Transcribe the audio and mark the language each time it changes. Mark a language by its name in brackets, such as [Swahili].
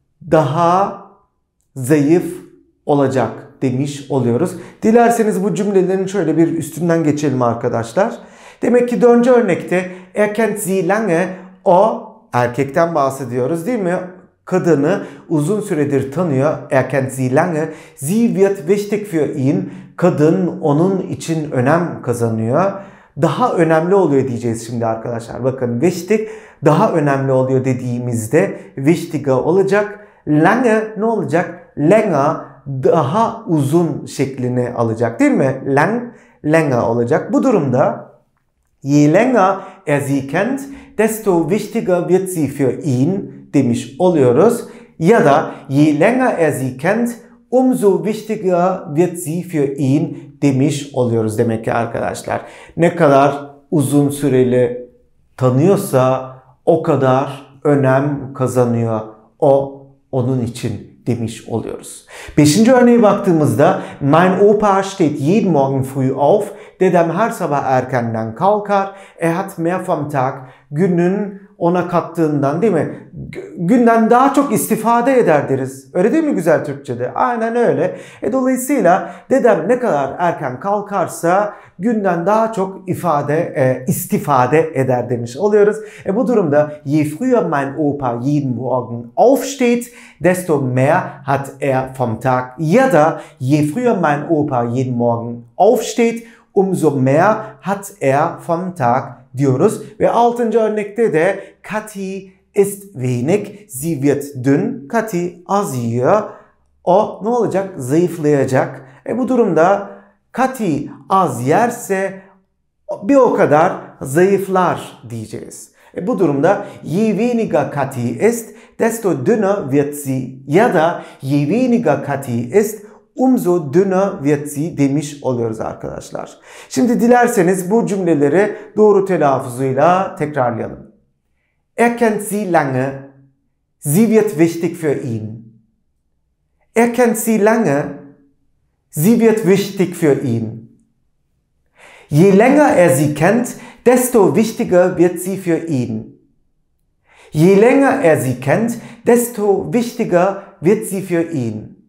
[Turkish] Daha zayıf olacak demiş oluyoruz. Dilerseniz bu cümlelerin şöyle bir üstünden geçelim arkadaşlar. Demek ki dördüncü örnekte [German] er kennt sie lange, [Turkish] o erkekten bahsediyoruz değil mi? Kadını uzun süredir tanıyor. [German] Er kennt sie lange. Sie wird wichtig für ihn. [Turkish] Kadın onun için önem kazanıyor. Daha önemli oluyor diyeceğiz şimdi arkadaşlar. Bakın wichtig daha önemli oluyor dediğimizde wichtiger olacak. Lange ne olacak? Länger daha uzun şeklini alacak değil mi? [German] Lang, länger [Turkish] olacak. Bu durumda [German] je länger er sie kennt, desto wichtiger wird sie für ihn [Turkish] demiş oluyoruz. Ya da [German] je länger er sie kennt, umso wichtiger wird sie für ihn [Turkish] demiş oluyoruz demek ki arkadaşlar. Ne kadar uzun süreli tanıyorsa o kadar önem kazanıyor o onun için demiş oluyoruz. Beşinci örneğe baktığımızda [German] mein Opa steht jeden Morgen früh auf. [Turkish] Dedem her sabah erkenden kalkar. [German] Er hat mehr vom Tag. [Turkish] Günün ona kattığından değil mi? Günden daha çok istifade eder deriz. Öyle değil mi güzel Türkçe'de? Aynen öyle. Dolayısıyla dedem ne kadar erken kalkarsa günden daha çok istifade eder demiş oluyoruz. Bu durumda [German] je früher mein Opa jeden Morgen aufsteht, desto mehr hat er vom Tag. [Turkish] Ya da [German] je früher mein Opa jeden Morgen aufsteht, umso mehr hat er vom Tag [Turkish] diyoruz. Ve altıncı örnekte de [German] Kati ist wenig, sie wird dünn. [Turkish] Kati az yiyor. O ne olacak? Zayıflayacak. Bu durumda Kati az yerse bir o kadar zayıflar diyeceğiz. Bu durumda [German] je weniger Kati ist, desto dünner wird sie. [Turkish] Ya da [German] je weniger Kati ist, umso düna wird sie [Turkish] demiş oluyoruz arkadaşlar. Şimdi dilerseniz bu cümleleri doğru telaffuzuyla tekrarlayalım. [German] Er kennt sie lange. Sie wird wichtig für ihn. Er kennt sie lange. Sie wird wichtig für ihn. Je länger er sie kennt, desto wichtiger wird sie für ihn. Je länger er sie kennt, desto wichtiger wird sie für ihn.